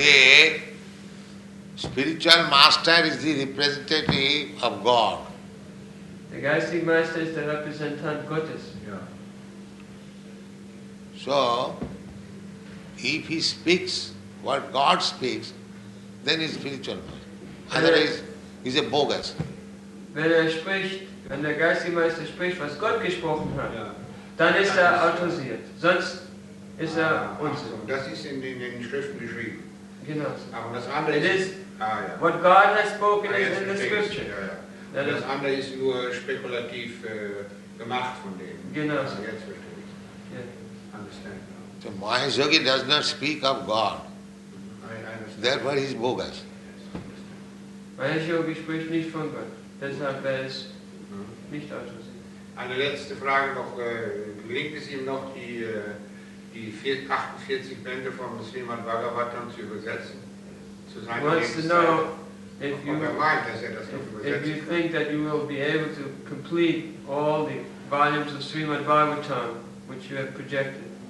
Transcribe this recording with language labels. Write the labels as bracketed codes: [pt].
[en] See, spiritual master is the representative of God. [de] Der geistige Meister ist der Repräsentant Gottes. Ja. [en] So, if he speaks what God speaks, then he's spiritual. Otherwise, he's a bogus. [de] Wenn er spricht, wenn der geistige Meister spricht, was Gott gesprochen hat, ja, dann ist das er autorisiert. Sonst ist er unsinnig. So, das ist in den Schriften geschrieben. Genau. Aber das andere ist ja. [en] What God has spoken is in the Scripture. [de] Ja, ja. Das andere ist nur spekulativ gemacht von dem. Genau. Jetzt verstehe ich. [en] Yeah. Understand. So Mahesh Yogi does not speak of God. I therefore he is bogus. Yes, I understand. [de] Weil Yogi spricht nicht von Gott. Deshalb wäre es nicht Ajna-Sikha. Eine letzte Frage noch. Gelingt es ihm noch, die 48 Bände von Srimad Bhagavatam zu übersetzen? Zu seiner Lebenszeit? [en] If you think that you will be able to complete all the volumes of Srimad Bhagavatam which you have projected.